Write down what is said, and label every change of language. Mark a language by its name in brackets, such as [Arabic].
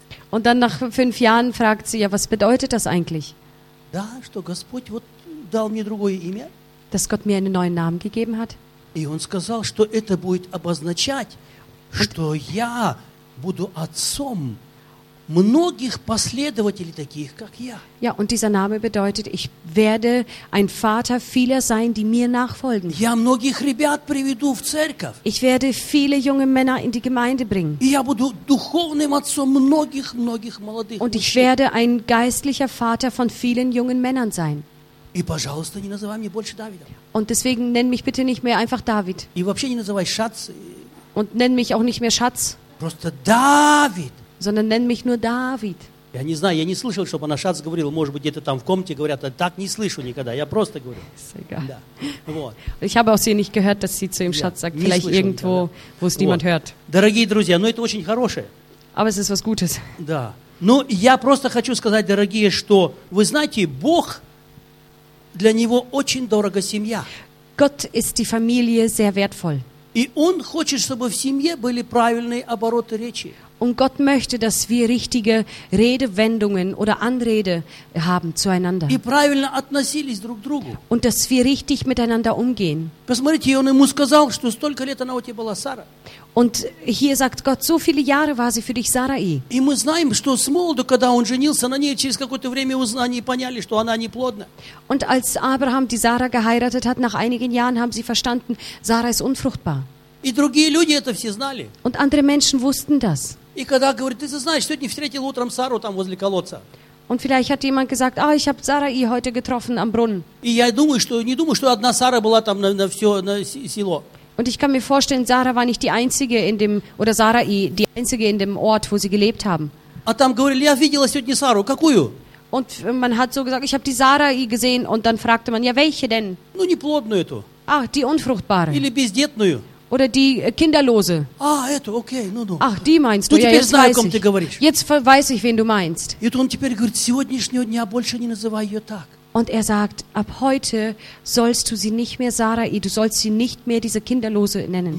[German] Und dann nach 5 Jahren fragt sie: Ja, was bedeutet das eigentlich? [Russian] Da, что Господь вот дал мне другое имя. [German] Dass Gott mir einen neuen Namen gegeben hat. [Russian] И он сказал, что это будет обозначать, что я буду отцом многих последователей таких, как я. [German] Ja, und dieser Name bedeutet: Ich werde ein Vater vieler sein, die mir nachfolgen. [Russian] Я многих ребят приведу в церковь. [German] Ich werde viele junge Männer in die Gemeinde bringen. [Russian] И я буду духовным отцом многих, многих молодых мужчин. [German] Und ich werde ein geistlicher Vater von vielen jungen Männern sein. [Russian] И пожалуйста, не называй мне больше Давидом. [German] Und deswegen nenn mich bitte nicht mehr einfach David. [Russian] И вообще не называй Schatz. [German] Und nenn mich auch nicht mehr Schatz. [Russian] Просто David. [German] Sondern nenn mich nur David. [Russian] Я не знаю, я не слышал, чтобы она Шац говорила. Может быть, где-то там в комнате говорят. А так не слышу никогда. Я просто говорю. Да. Вот. [German] Ich habe auch sie nicht gehört, dass sie zu ihm Schatz sagt. Vielleicht irgendwo, wo es niemand hört. [Russian] Дорогие друзья, ну это очень хорошее. [German] Aber es ist was Gutes. [Russian] Да. Ну, я просто хочу сказать, дорогие, что вы знаете, Бог, для него очень дорого семья. [German] Gott ist die Familie sehr wertvoll. [Russian] И он хочет, чтобы в семье были правильные обороты речи. [German] Und Gott möchte, dass wir richtige Redewendungen oder Anrede haben zueinander. [Russian] И правильно относились друг к другу. [German] Und dass wir richtig miteinander umgehen. [Russian] Посмотрите, он ему сказал, что столько лет она у тебя была, Сара. [German] Und hier sagt Gott: So viele Jahre war sie für dich, Sarai. [Russian] И мы знаем, что с молоду, когда он женился на ней, через какое-то время они поняли, что она неплодна. [German] Und als Abraham die Sarah geheiratet hat, nach einigen Jahren haben sie verstanden: Sarah ist unfruchtbar. [Russian] И другие люди это все знали. [German] Und andere Menschen wussten das. [Russian] И когда говорит: ты знаешь, сегодня встретил утром Сару там возле колодца. [German] Und vielleicht hat jemand gesagt: Ah, ich habe Sarai heute getroffen am Brunnen. [Russian] И я думаю, что не думаю, что одна Сара была там на все на село. [German] Und ich kann mir vorstellen, Sarah war nicht die einzige in dem oder Sarai die einzige in dem Ort, wo sie gelebt haben. [Russian] А там говорили: я видела сегодня Сару, какую? [German] Und man hat so gesagt: Ich habe die Sarai gesehen. Und dann fragte man: Ja, welche denn? [Russian] Ну, неплодную эту. [German] Ah, die unfruchtbare. [Russian] Или бездетную. [German] Oder die Kinderlose. [Russian] Ah, это, okay, ну. [German] Ach, die meinst du, [Russian] ну, [German] ja, jetzt [Russian] знаю, [German] weiß ich. Jetzt weiß ich, wen du meinst. Und [Russian] он теперь говорит: сегодняшнего дня больше не называй ее так. [German] Und er sagt, ab heute sollst du sie nicht mehr Sarai, du sollst sie nicht mehr diese Kinderlose nennen.